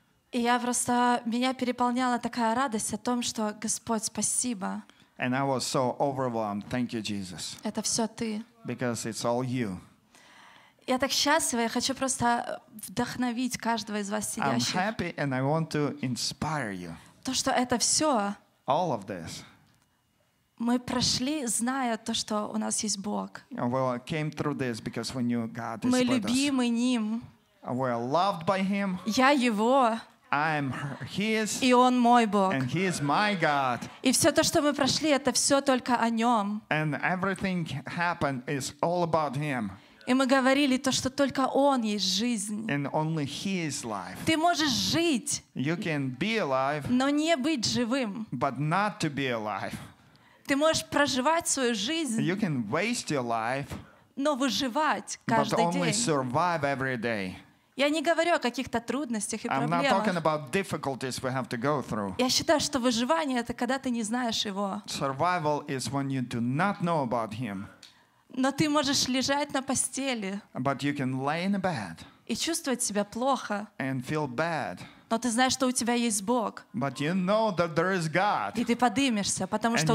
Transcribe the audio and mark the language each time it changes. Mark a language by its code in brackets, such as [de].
[ru] И я просто, меня переполняла такая радость о том, что Господь, спасибо. [en] And I was so overwhelmed. Thank you, Jesus. [ru] Это все ты. [en] Because it's all you. [ru] Я так счастлива, я хочу просто вдохновить каждого из вас сидящих. [en] I'm happy and I want to inspire you. [ru] То, что это все. [en] All of this. [ru] Мы прошли, зная то, что у нас есть Бог. [en] We came through this because we knew God is [ru] мы любимы [en] with us. [ru] Ним. [en] We are loved by Him. [ru] Я Его. [en] I'm His. [ru] И Он мой Бог. [en] And He is my God. [ru] И все то, что мы прошли, это все только о Нем. [en] And everything happened is all about Him. [ru] И мы говорили то, что только Он есть жизнь. [en] And only He is life. [ru] Ты можешь жить. [en] You can be alive. [ru] Но не быть живым. [en] But not to be alive. [ru] Ты можешь проживать свою жизнь. [en] You can waste your life. [ru] Но выживать каждый день. [en] But only Survive every day. [ru] Я не говорю о каких-то трудностях и проблемах. [en] I'm not talking about difficulties we have to go through. [ru] Я считаю, что выживание — это когда ты не знаешь Его. [en] Survival is when you do not know about Him. [ru] Но ты можешь лежать на постели. [en] But you can lay in bed. [ru] И чувствовать себя плохо. [en] And feel bad. [ru] Но ты знаешь, что у тебя есть Бог. [en] But you know that there is God. [ru] И ты подымешься, потому что